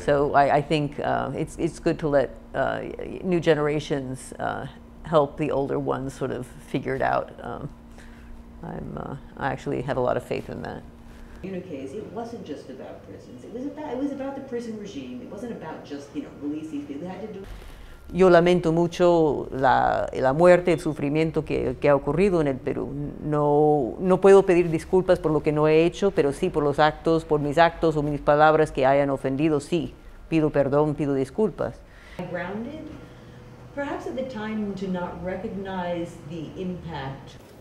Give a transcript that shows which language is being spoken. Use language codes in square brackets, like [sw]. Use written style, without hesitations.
[en] So I think it's good to let new generations help the older ones sort of figure it out. I actually have a lot of faith in that. In a case, it wasn't just about prisons. It was about the prison regime. It wasn't about just, you know, releasing people. They had to do. [es] Yo lamento mucho la muerte, el sufrimiento que ha ocurrido en el Perú. No puedo pedir disculpas por lo que no he hecho, pero sí por los actos, por mis actos o mis palabras que hayan ofendido. Sí, pido perdón, pido disculpas. [en] Grounded, perhaps at the time to not recognize the impact.